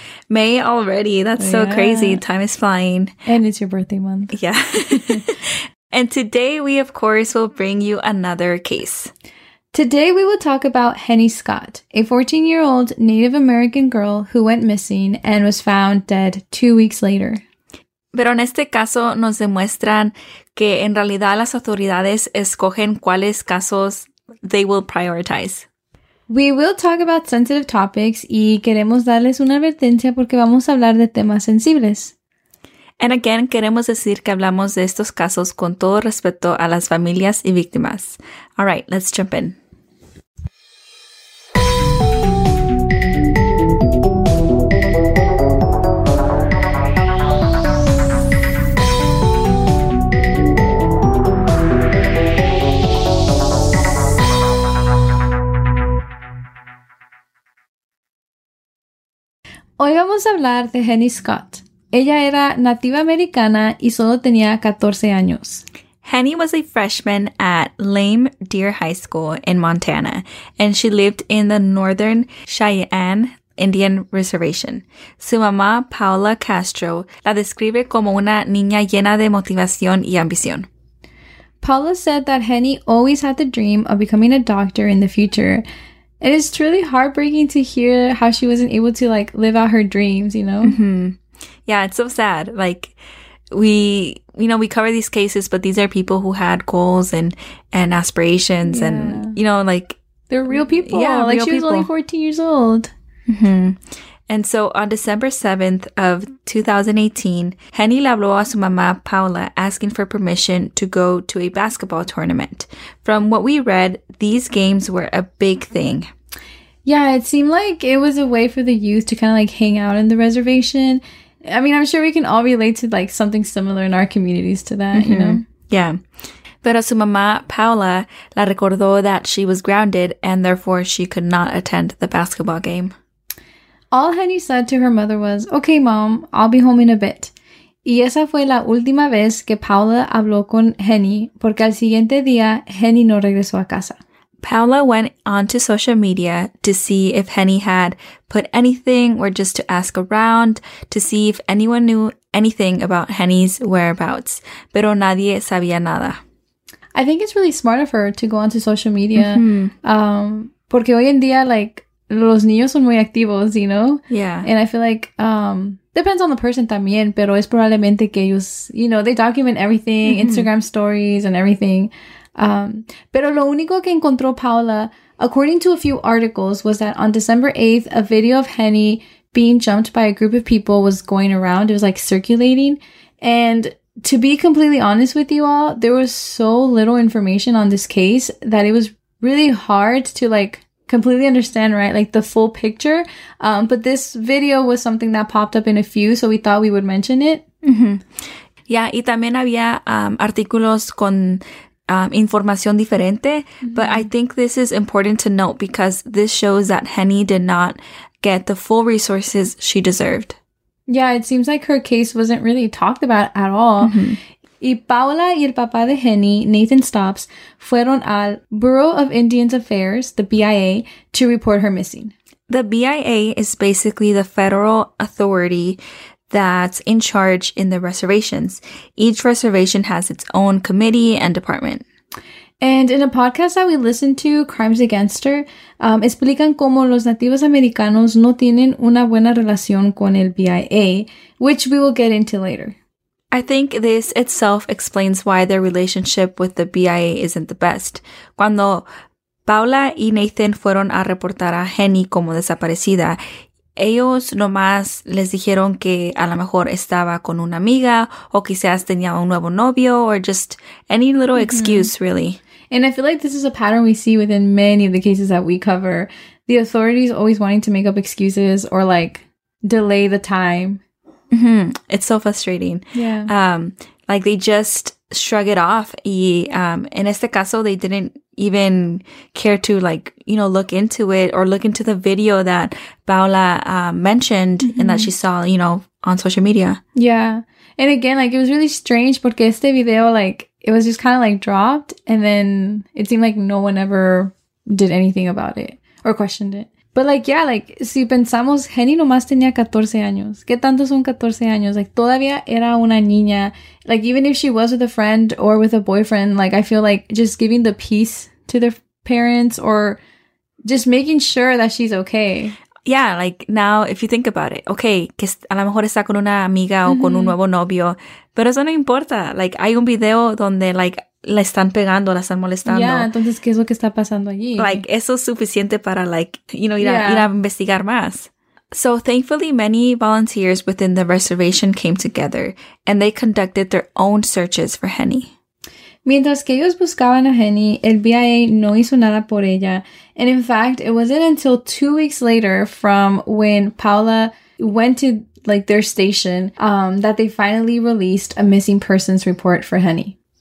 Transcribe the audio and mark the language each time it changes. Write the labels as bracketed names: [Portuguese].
[English] May already, that's so crazy, time is flying. And it's your birthday month. Yeah. And today we, of course, will bring you another case. Today we will talk about Henny Scott, a 14-year-old Native American girl who went missing and was found dead 2 weeks later. [Spanish] Pero en este caso nos demuestran que en realidad las autoridades escogen cuáles casos [English] they will prioritize. We will talk about sensitive topics [Spanish] y queremos darles una advertencia porque vamos a hablar de temas sensibles. [English] And again, [Spanish] queremos decir que hablamos de estos casos con todo respeto a las familias y víctimas. [English] All right, let's jump in. [Spanish] Hoy vamos a hablar de Henny Scott. Ella era nativa americana y solo tenía 14 años. [English] Henny was a freshman at Lame Deer High School in Montana, and she lived in the Northern Cheyenne Indian Reservation. [Spanish] Su mamá, Paula Castro, la describe como una niña llena de motivación y ambición. [English] Paula said that Henny always had the dream of becoming a doctor in the future. It is truly heartbreaking to hear how she wasn't able to, like, live out her dreams, you know? Mm-hmm. Yeah, it's so sad. Like, we cover these cases, but these are people who had goals and aspirations and, you know, like... They're real people. Yeah, like, real she was people. Only 14 years old. Mm-hmm. And so, on December 7th of 2018, Henny [Spanish] le habló a su mamá, [English] Paula, asking for permission to go to a basketball tournament. From what we read, these games were a big thing. Yeah, it seemed like it was a way for the youth to kind of, like, hang out in the reservation. I mean, I'm sure we can all relate to, like, something similar in our communities to that, mm-hmm. you know? Yeah. [Spanish] Pero su mamá, Paula, la recordó [English] that she was grounded and therefore she could not attend the basketball game. All Henny said to her mother was, "Okay, mom, I'll be home in a bit." [Spanish] Y esa fue la última vez que Paula habló con Henny, porque al siguiente día, Henny no regresó a casa. [English] Paula went onto social media to see if Henny had put anything or just to ask around to see if anyone knew anything about Henny's whereabouts. [Spanish] Pero nadie sabía nada. [English] I think it's really smart of her to go onto social media. [Spanish] Mm-hmm. Porque hoy en día, like... Los niños son muy activos, [English] you know? Yeah. And I feel like, depends on the person [Spanish] también, pero es probablemente que ellos, [English] you know, they document everything, mm-hmm. Instagram stories and everything. [Spanish] Pero lo único que encontró Paula, [English] according to a few articles, was that on December 8th, a video of Henny being jumped by a group of people was going around. It was like circulating. And to be completely honest with you all, there was so little information on this case that it was really hard to like... completely understand, right? Like the full picture. But this video was something that popped up in a few, so we thought we would mention it. Mm-hmm. [Spanish] Yeah, y también había artículos con información diferente. Mm-hmm. [English] But I think this is important to note because this shows that Henny did not get the full resources she deserved. Yeah, it seems like her case wasn't really talked about at all. [Spanish] Mm-hmm. Y Paula y el papá de Henny, Nathan Stops, fueron al Bureau of Indian Affairs, the BIA, [English] to report her missing. The BIA is basically the federal authority that's in charge in the reservations. Each reservation has its own committee and department. And in a podcast that we listened to, Crimes Against Her, [Spanish] explican cómo los nativos americanos no tienen una buena relación con el BIA, [English] which we will get into later. I think this itself explains why their relationship with the BIA isn't the best. [Spanish] Cuando Paula y Nathan fueron a reportar a Henny como desaparecida, ellos nomás les dijeron que a lo mejor estaba con una amiga o quizás tenía un nuevo novio [English] or just any little [Spanish] mm-hmm. [English] excuse, really. And I feel like this is a pattern we see within many of the cases that we cover. The authorities always wanting to make up excuses or like delay the time. Mm-hmm. It's so frustrating. Yeah. Like they just shrug it off. Y in [Spanish] este caso, [English] they didn't even care to like, you know, look into it or look into the video that Paula mentioned mm-hmm. and that she saw, you know, on social media. Yeah. And again, like, it was really strange [Spanish] porque este video, [English] like, it was just kind of, like, dropped. And then it seemed like no one ever did anything about it or questioned it. But, like, yeah, like, [Spanish] si pensamos, Jenny nomás tenía 14 años. ¿Qué tanto son 14 años? Like, todavía era una niña. [English] Like, even if she was with a friend or with a boyfriend, like, I feel like just giving the peace to their parents or just making sure that she's okay. Yeah, like, now, if you think about it, okay, [Spanish] que a lo mejor está con una amiga o con un nuevo novio, pero eso no importa. Like, hay un video donde, like, la están pegando, la están molestando. Yeah, entonces, ¿qué es lo que está pasando allí? Like, eso es suficiente para, like, [English] you know, [Spanish] ir a investigar más. [English] So, thankfully, many volunteers within the reservation came together, and they conducted their own searches for Jenny. [Spanish] Mientras que ellos buscaban a Jenny, el BIA no hizo nada por ella. [English] And in fact, it wasn't until 2 weeks later from when Paula went to, like, their station, that they finally released a missing persons report for Jenny.